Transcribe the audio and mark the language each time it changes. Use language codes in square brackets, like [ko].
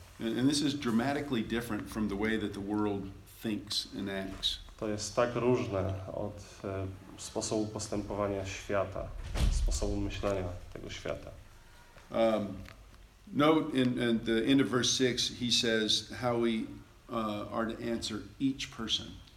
[en] And this is dramatically different from the way that the world thinks and acts. [pl] To jest tak różne od sposobu postępowania świata, sposobu myślenia tego świata. [en] Note in the end of verse 6, he says how we are to answer each person.